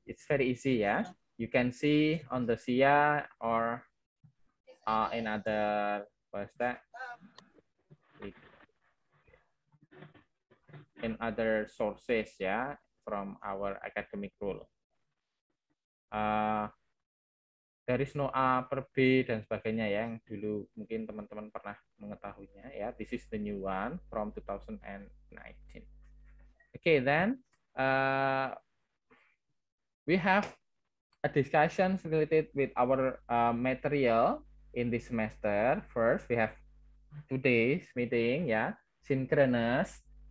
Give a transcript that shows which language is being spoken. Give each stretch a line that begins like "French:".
English: It's very easy, yeah. You can see on the SIA or in other, what is that? In other sources, yeah, from our academic rule. There is no A per B
Indonesian: dan sebagainya ya, yang dulu mungkin teman-teman pernah mengetahuinya ya.
English: This is the new one from 2019. Okay, then we have a discussion related with our material in this semester. First, we have today's meeting ya, synchronous.